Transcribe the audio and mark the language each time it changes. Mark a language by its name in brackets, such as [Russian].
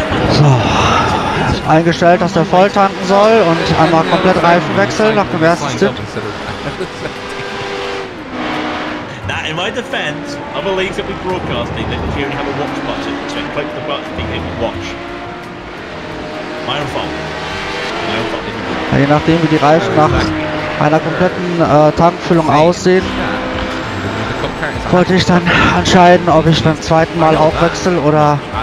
[German] So, eingestellt, dass der voll tanken soll und einmal komplett Reifen wechseln nach dem ersten Stint. [English] Now, in my defense, other leagues that we broadcasting, they don't even have a watch button, so you click the button to begin watch. My own fault. [German] Je nachdem, wie die Reifen nach einer kompletten Tankfüllung aussehen, wollte ich dann entscheiden, ob ich beim zweiten Mal auch wechsle oder.